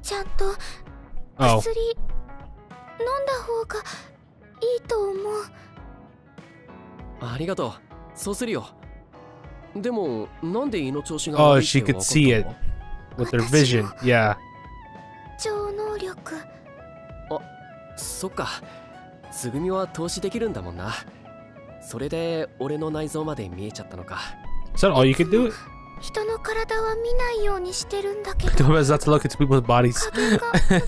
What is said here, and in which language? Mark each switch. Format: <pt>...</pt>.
<ja>ちゃんと薬飲んだ方がいいと思う。ありがとう。そうするよ。でもなんで胃の調子が悪いって分かったの？</ja> <en>Oh, she could see it with her vision. Yeah.</en> <ja>超能力。あ、そっか。つぐみは透視できるんだもんな。それで俺の内臓まで見えちゃったのか。</ja> <en>So all you could do?</en> <ja>人の体は見ないようにしてるんだけど。</ja> <en>Don't bother to look into people's bodies.</en>